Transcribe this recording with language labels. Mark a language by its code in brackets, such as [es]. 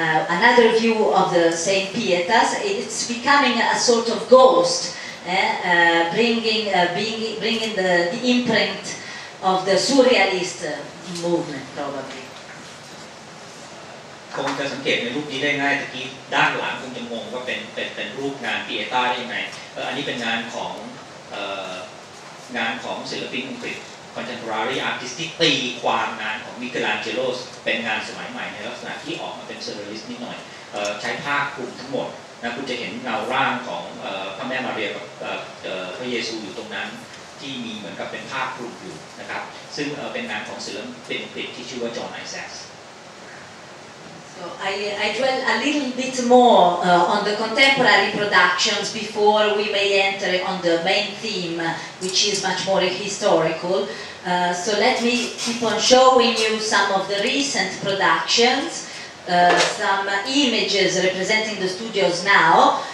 [en] Another view of the same pietas, it's becoming a sort of ghost, bringing the imprint of the surrealist movement, probably. [th] คงจะสังเกตในรูปนี้ได้ง่ายตะกี้ด้านหลังคงจะงงว่าเป็นรูปงานเปียต้าได้ยังไงอันนี้เป็นงานของศิลปินอังกฤษ contemporary artist ที่ตีความงานของมิเกลันเจโลสเป็นงานสมัยใหม่ในลักษณะที่ออกมาเป็นเซอร์เรลิสต์นิดหน่อยใช้ผ้าคลุมทั้งหมดนะคุณจะเห็นเงาร่างของพระแม่มาเรียกับพระเยซูอยู่ตรงนั้นที่มีเหมือนกับเป็นผ้าคลุมอยู่นะครับซึ่งเป็นงานของศิลปินอังกฤษที่ชื่อว่าจอห์นไอแซค [en] I dwell a little bit more on the contemporary productions before we may enter on the main theme, which is much more historical. So let me keep on showing you some of the recent productions, some images representing the studios now.